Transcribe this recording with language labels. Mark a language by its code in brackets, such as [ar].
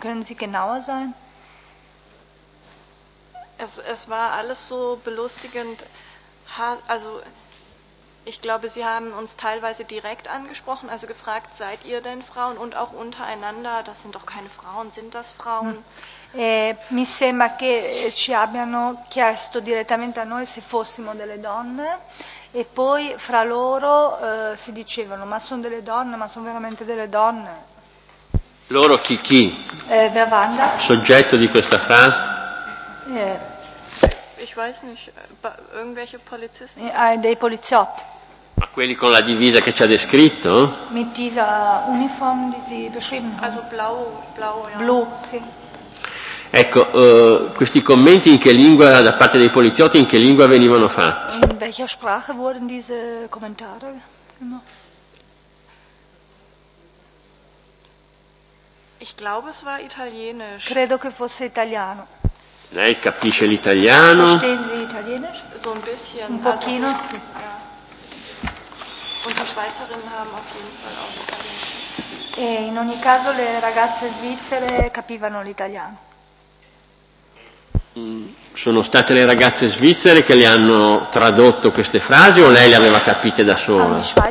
[de] Können Sie genauer sein? Es war alles so belustigend. Also ich glaube, Sie haben uns teilweise direkt angesprochen, also gefragt, seid ihr denn Frauen? Und auch untereinander, das sind doch keine Frauen, sind das Frauen? [it] Mi sembra che ci abbiano chiesto direttamente a noi se fossimo delle donne. E poi fra loro si dicevano, ma sono delle donne, ma sono veramente delle donne. Loro chi? [de] Wer waren das? [it] Soggetto di questa frase? [de] Ich weiß nicht, irgendwelche Polizisten? [it] Dei poliziotti. Ma quelli con la divisa che ci ha descritto? [de] Mit dieser Uniform, die sie beschrieben haben. Also blau, ja. [it] Blu, sì. Ecco, questi commenti in che lingua, da parte dei poliziotti, in che lingua venivano fatti? [de] In welcher Sprache wurden diese Kommentare gemacht? Ich glaube, es war italienisch. [it] Credo che fosse italiano. Lei capisce l'italiano? [de] Verstehen Sie italienisch? So ein bisschen. [it] Un pochino. [de] Und die Schweizerinnen haben auf jeden Fall auch italienisch. [it] E in ogni caso le ragazze svizzere capivano l'italiano. Sono state le ragazze svizzere che le hanno tradotto queste frasi o lei le aveva capite da sola?